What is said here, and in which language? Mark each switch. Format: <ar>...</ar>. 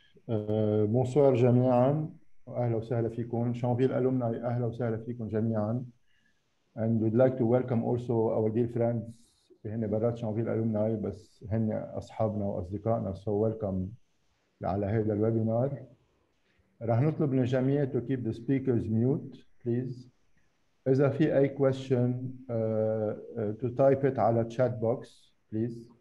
<ar>بونسوار جميعا، اهلا وسهلا فيكم. شانفيل الومناي، اهلا وسهلا فيكم جميعا.</ar> <en>And we'd like to welcome also our dear friends.</en> <ar>هن برات شانفيل الومناي بس هن اصحابنا واصدقائنا.</ar> <en>So welcome</en> <ar>على هذا الويبينار. راح نطلب من الجميع</ar> <en>to keep the speakers mute, please.</en> <ar>إذا في أي</ar> <en>question to type it</en> <ar>على</ar> <en>chat box, please.</en>